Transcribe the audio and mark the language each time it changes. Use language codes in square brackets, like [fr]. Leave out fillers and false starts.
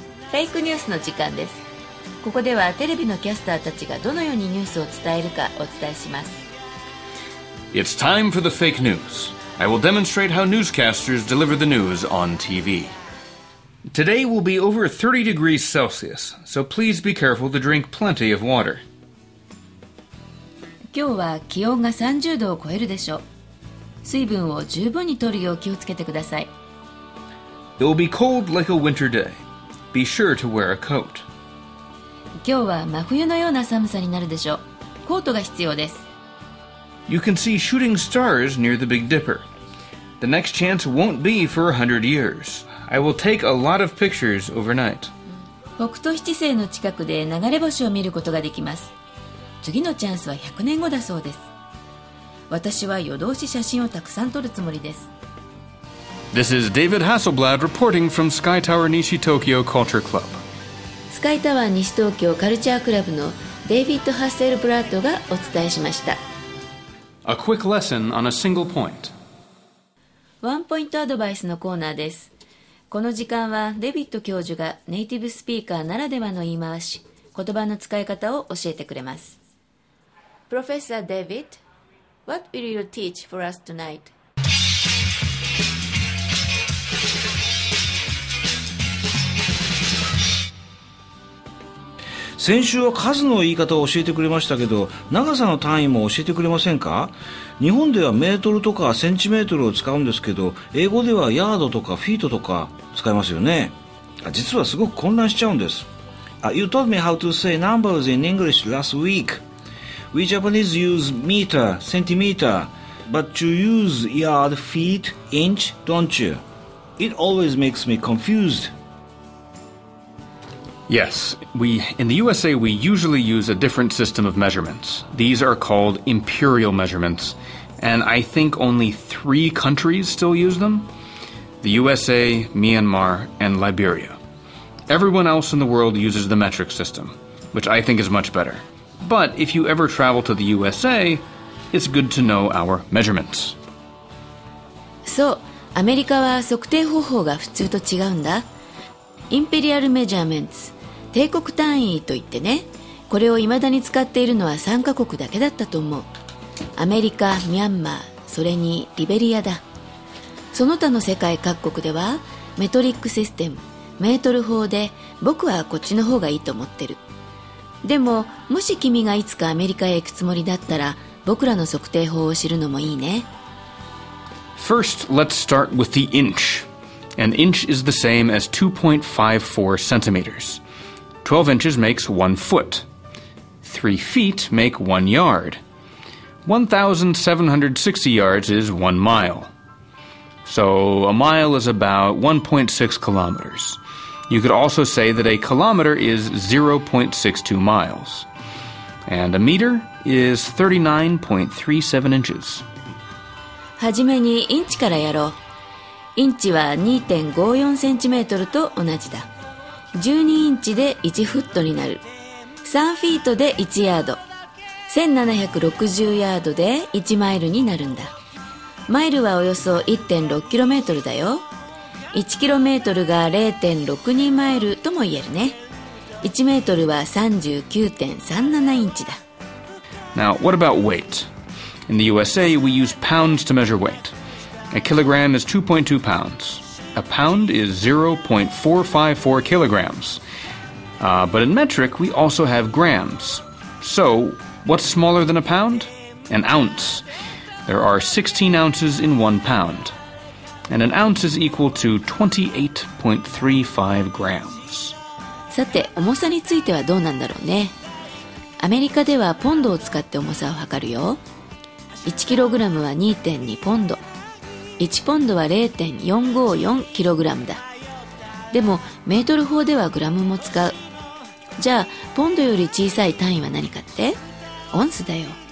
[ja] フェイクニュースの時間です。ここではテレビのキャスターたちがどのようにニュースを伝えるかお伝えします。 [en] It's time for the fake news. I will demonstrate how newscasters deliver the news on TV. Today will be over 30 degrees Celsius, so please be careful to drink plenty of water. [ja] 今日は気温が30度を超えるでしょう。水分を十分に取るよう気をつけてください。 [en] It will be cold like a winter day. Be sure to wear a coat. [ja] 今日は真冬のような寒さになるでしょう。コートが必要です。 [en] You can see shooting stars near the Big Dipper. The next chance won't be for 100 years. I will take a lot of pictures overnight. [ja] 北斗七星の近くで流れ星を見ることができます。次のチャンスは100年後だそうです。私は夜通し写真をたくさん撮るつもりです。 [en] This is David Hasselblad reporting from Sky Tower Nishi Tokyo Culture Club. [ja] スカイタワー西東京カルチャークラブのデイビッド・ハッセルブラッドがお伝えしました。 [en] A quick lesson on a single point. [ja] ワンポイントアドバイスのコーナーです。この時間はデビッド教授がネイティブスピーカーならではの言い回し、言葉の使い方を教えてくれます。 [en] Professor David, what will you teach for us tonight? [ja] 先週は数の言い方を教えてくれましたけど、長さの単位も教えてくれませんか？日本ではメートルとかセンチメートルを使うんですけど、英語ではヤードとかフィートとか使いますよね。実はすごく混乱しちゃうんです。 [en] You taught me how to say numbers in English last week. We Japanese use meter, centimeter, but you use yard, feet, inch, don't you? It always makes me confused. Yes, we, in the USA, we usually use a different system of measurements. These are called imperial measurements, and I think only three countries still use them. The USA, Myanmar, and Liberia. Everyone else in the world uses the metric system, which I think is much better. But if you ever travel to the USA, it's good to know our measurements. [ja] So, America は測定方法が普通と違うんだ。 [en] Imperial measurements. [ja] 帝国単位といってね、これを未だに使っているのは3カ国だけだったと思う。アメリカ、ミャンマー、それにリベリアだ。その他の世界各国ではメトリックシステム、メートル法で、僕はこっちの方がいいと思ってる。でももし君がいつかアメリカへ行くつもりだったら、僕らの測定法を知るのもいいね。 [en] First, let's start with the inch. An inch is the same as 2.54 centimeters. 12 inches makes 1 foot. 3 feet make 1 yard. 1,760 yards is 1 mile. So a mile is about 1.6 kilometers. You could also say that a kilometer is 0.62 miles. And a meter is 39.37 inches. [ja] はじめにインチからやろう。インチは 2.54 センチメートルと同じだ。 12インチで1フットになる。3フィートで1ヤード。 1760ヤードで1マイルになるんだ。マイルはおよそ 1.6 キロメートルだよ。1キロメートルが 0.62 マイルとも言えるね。 1メートルは 39.37 インチだ。 [en] Now, what about weight? In the USA, we use pounds to measure weight. A kilogram is 2.2 pounds. A pound is 0.454 kilograms. But in metric, we also have grams. So, what's smaller than a pound? An ounce. There are 16 ounces in 1 pound. And an ounce is equal to 28.35 grams. [ja] さて、重さについてはどうなんだろうね。アメリカではポンドを使って重さを測るよ。 1キログラムは 2.2 ポンド。1ポンドは 0.454 キログラムだ。でもメートル法ではグラムも使う。じゃあポンドより小さい単位は何かって？オンスだよ。